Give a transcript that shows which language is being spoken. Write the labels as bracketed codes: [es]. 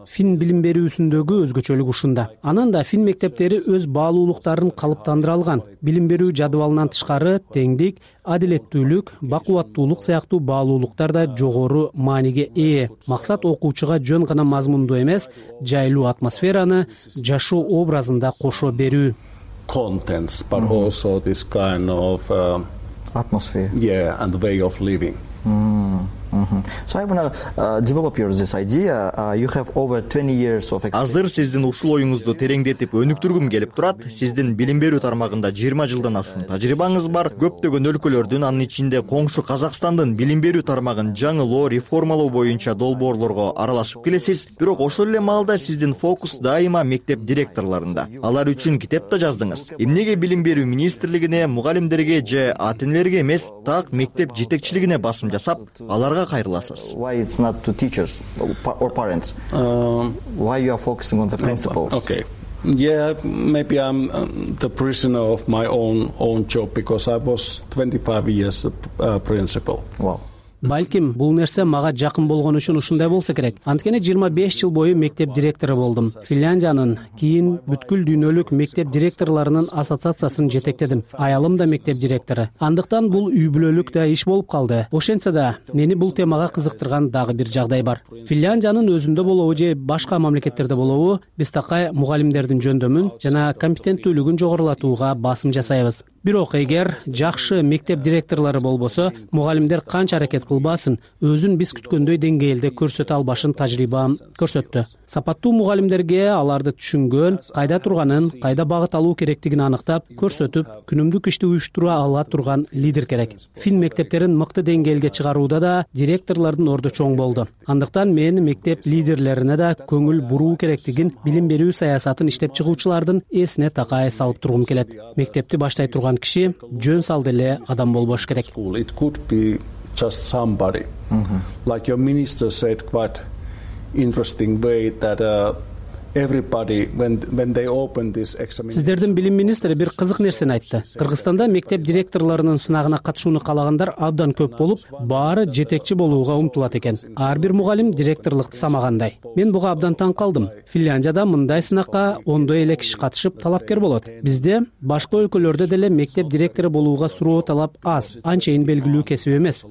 [ky] Фин билим берүүсүндөгү өзгөчөлүк ушунда. Анан да фин мектептери өз баалуулуктарын калыптандыра алган. Билим берүү жадыбалынан тышкары теңдик, адилеттүүлүк, бакуваттуулук сыяктуу баалуулуктар да жогору мааниге ээ. Максат окуучуга жөн гана мазмунду эмес, жайлуу атмосфераны жашоо образында кошо берүү. [en] Contents, but also this kind of atmosphere. Yeah, and the way of living. So I want to develop your this idea. You have over 20 years of experience. [ky] Азыр сиздин ушул оюңузду тереңдетип өнүктүргүм келип турат. Сиздин билим берүү тармагында 20 жылдан ашуун тажрыйбаңыз бар. Көптөгөн өлкөлөрдүн, анын ичинде коңшу Казакстандын билим берүү тармагын жаңылоо, реформалоо боюнча долбоорлорго аралашып келесиз. Бирок ошол эле маалда сиздин фокус дайыма мектеп директорлорунда. Алар үчүн китеп да жаздыңыз. Эмнеге билим берүү министрлигине, мугалимдерге же ата-энелерге эмес, так мектеп жетекчилигине басым жасап, аларга кайрыласыз? [en] Why it's not to teachers or parents? Why you are focusing on the principals? Okay. Yeah, maybe I'm the prisoner of my own job because I was 25 years a principal. Wow. [ky] Балким бул нерсе мага жакын болгон үчүн ушундай болсо керек. Анткени 25 жыл бою мектеп директору болдум. Финляндиянын кийин бүткүл дүйнөлүк мектеп директорларынын ассоциациясын жетектедим. Аялым да мектеп директору. Андыктан бул үй бүлөлүк да иш болуп калды. Ошентсе да мени бул темага кызыктырган дагы бир жагдай бар. Финляндиянын өзүндө болобу же башка мамлекеттерде болобу, биз такай мугалимдердин жөндөмүн жана компетенттүүлүгүн жогорулатууга басым жасайбыз. Бирок эгер жакшы мектеп директорлору болбосо, мугалимдер канча аракет кылбасын, өзүн биз күткөндөй деңгээлде көрсөтө албашын тажрыйбам көрсөттү. Сапаттуу мугалимдерге аларды түшүнгөн, кайда турганын, кайда багыт алуу керектигин аныктап, көрсөтүп, күнүмдүк ишти уюштура ала турган лидер керек. Фин мектептерин мыкты деңгээлге чыгарууда да директорлордун орду чоң болду. Андыктан мен мектеп лидерлерине да көңүл буруу керектигин билим берүү саясатын иштеп чыгуучулардын эсине такай салып тургум келет. Мектепти баштай турган киши жөн салды эле адам болбош керек. [en] It could be just somebody. Like your minister said quite interesting way that everybody when they open this examination. [ky] Сиздердин билим министри бир кызык нерсени айтты. Кыргызстанда мектеп директорлорунун сынагына катышууну каалагандар абдан көп болуп, баары жетекчи болууга умтулат экен. Ар бир мугалим директорлукту самагандай. Мен буга абдан таң калдым. Финляндияда мындай сынакка ондой эле киши катышып талапкер болот. Бизде башка өлкөлөрдө деле мектеп директору болууга суроо талап аз, анчейин белгилүү кесип эмес.